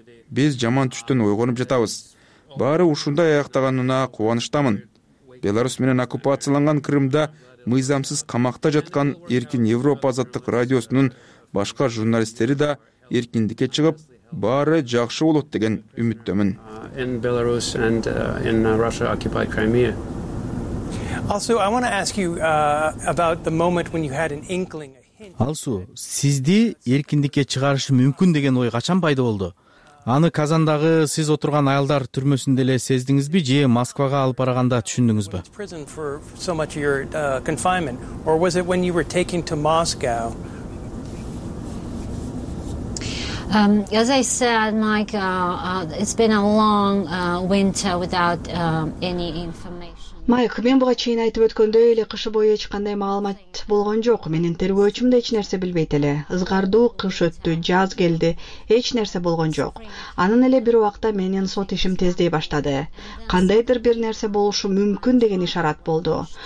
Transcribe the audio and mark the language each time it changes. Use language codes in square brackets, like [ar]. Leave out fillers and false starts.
[ky] Биз жаман түштөн ойгонуп жатабыз. Баары ушундай аяктаганына кубанычтамын. Беларусь менен оккупацияланган Крымда мыйзамсыз камакта жаткан Эркин Европа Азаттык радиосунун башка журналисттери да эркиндикке чыгып, баары жакшы болот деген үмүттөмүн. [en] In Belarus and in Russia occupied Crimea. Also, I want to ask you about the moment when you had an inkling, a hint. [ky] Алсу, сизди эркиндикке чыгарышы мүмкүн деген ой качан пайда болду? Аны Казандагы сиз отурган аялдар түрмөсүндө эле сездиңизби же Москвага алып барганда түшүндүңүзбү? [en] As I said, Mike, it's been a long winter without any information. [ky] Майк, мен буга чейин айтып өткөндөй эле кыш бою эч кандай маалымат болгон жок. Менин тергөөчүм да эч нерсе билбейт эле. Ызгардуу кыш өттү, жаз келди, эч нерсе болгон жок. Анын эле бир убакта менин сот ишим тездей баштады. Кандайдыр бир нерсе болушу мүмкүн деген ишарат болду.